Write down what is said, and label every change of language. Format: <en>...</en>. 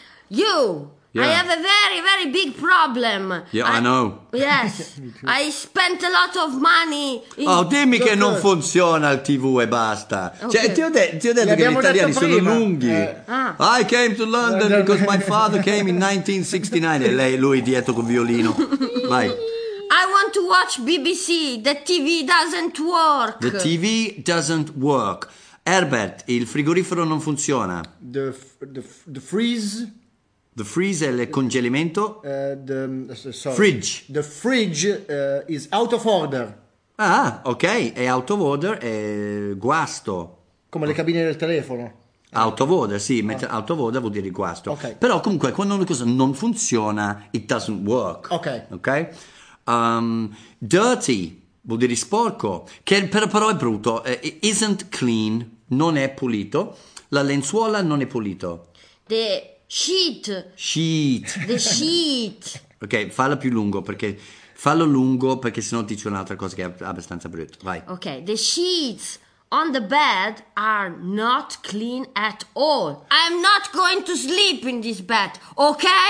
<en>You, yeah. I have a very, very big problem. Yeah, I know. Yes, I spent a lot of money.</en> <it>Dimmi che non funziona il TV e basta. Okay. Cioè, ti ho detto che gli italiani sono lunghi.</it> <en>I came to London because my father came in 1969.</en> <it>E lui dietro col violino. Vai.</it> <en>I want to watch BBC. The TV doesn't work. The TV doesn't work. Herbert,</en> <it>il frigorifero non funziona.</it> <en>The freeze.</en> <it>The freeze è il congelamento.</it> <en>Fridge. The fridge is out of order.</en> <it>Ah, ok. È out of order, è guasto. Come le cabine del telefono. Out of order, sì. Mentre out of order vuol dire guasto. Okay. Però comunque quando una cosa non funziona,</it> <en>it doesn't work. Ok. Ok.</en> <it>Dirty vuol dire sporco, che però è brutto.</it> <en>Isn't clean,</en> <it>non è pulito. La lenzuola non è pulito.</it> <en>The Sheet. Sheet. The sheet.</en> <it>Ok, fallo più lungo perché... Fallo lungo perché sennò dici un'altra cosa che è abbastanza brutta. Vai. Ok.</it> <en>The sheets on the bed are not clean at all. I'm not going to sleep in this bed, ok?</en>